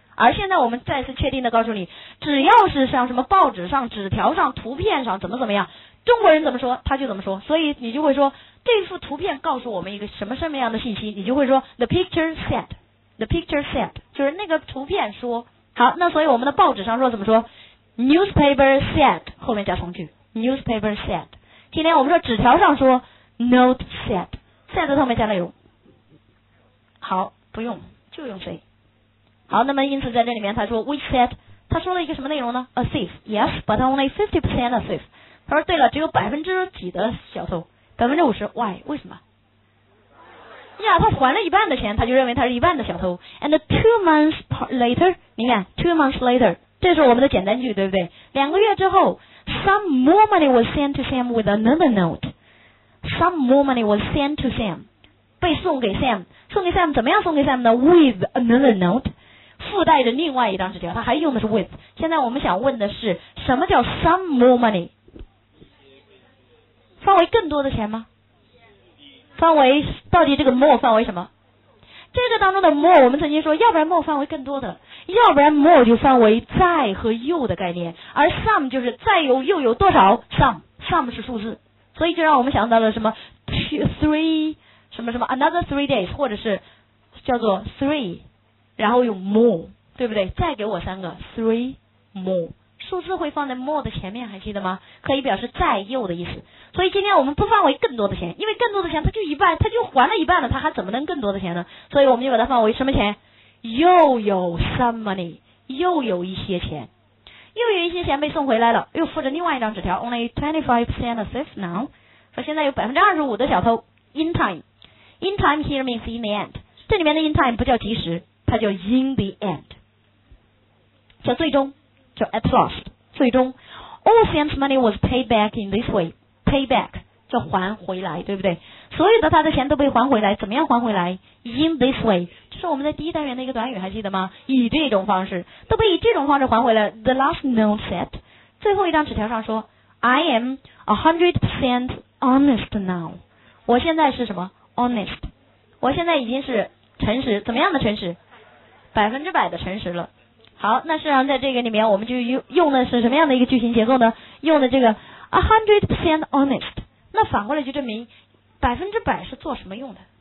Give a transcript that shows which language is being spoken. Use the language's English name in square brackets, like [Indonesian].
[Chinese] 而现在我们再次确定的告诉你，只要是像什么报纸上、纸条上、图片上怎么怎么样，中国人怎么说他就怎么说。所以你就会说这幅图片告诉我们一个什么什么样的信息，你就会说 [English] the picture said， [Chinese] the picture said 就是那个图片说。好，那所以我们的报纸上说怎么说？ [English] newspaper said， [Chinese] 后面加从句， newspaper said。今天我们说纸条上说 note said， said 后面加内容。好，不用，就用谁。好，那么因此在这里面他说 which said， 他说了一个什么内容呢？ [English] a thief， yes but only 50% a thief。 [Chinese] 他说对了，只有百分之几的小偷，50%。 why？ 为什么呀？他还了一半的钱，他就认为他是一半的小偷。 [English] and two months later， [Chinese] 你看 two months later， 这是我们的简单句，对不对？两个月之后， [English] some more money was sent to Sam with another note. Some more money was sent to Sam. [Chinese] 被送给 [English] Sam. [Chinese] 送给 Sam 怎么样送给 Sam 呢 [English] With another note. [Chinese] 附带着另外一张纸条，他还用的是 with. 现在我们想问的是什么叫 [English] some more money? [Chinese] 范围更多的钱吗？范围到底这个 more 范围什么？这个当中的 more 我们曾经说要不然 more 范围更多的，要不然 more 就范围再和又的概念，而 some 就是再有又有多少 some 是数字，所以就让我们想到了什么 two, three 什么什么 another three days 或者是叫做 three 然后用 more 对不对，再给我三个 three more 数字会放在 more 的前面，还记得吗？可以表示再又的意思。所以今天我们不范围更多的钱，因为更多的钱它就一半，它就还了一半了，它还怎么能更多的钱呢？所以我们就把它范围什么钱？又有 some money， 又有一些钱，又有一些钱被送回来了，又附着另外一张纸条 ， [English] only 25% of thief now， [Chinese] 说现在有 25% 的小偷。 [English] In time，in time here means in the end， [Chinese] 这里面的 [English] in time [Chinese] 不叫及时，它叫 [English] in the end， 叫最终，叫 at last， 最终。 All Sam's money was paid back in this way。 [Chinese] Payback 叫还回来，对不对？所有的他的钱都被还回来，怎么样还回来 ？ [English] In this way， [Chinese] 这是我们在第一单元的一个短语，还记得吗？以这种方式，都被以这种方式还回来。 [English] The last note said， [Chinese] 最后一张纸条上说 [English] ，I am 100% honest now。 [Chinese] 我现在是什么 ？Honest， 我现在已经是诚实，怎么样的诚实？百分之百的诚实了。好，那实际上在这个里面，我们就用的是什么样的一个句型结构呢？用的这个。 100% honest， 那反过来就证明百分之百是做什么用的？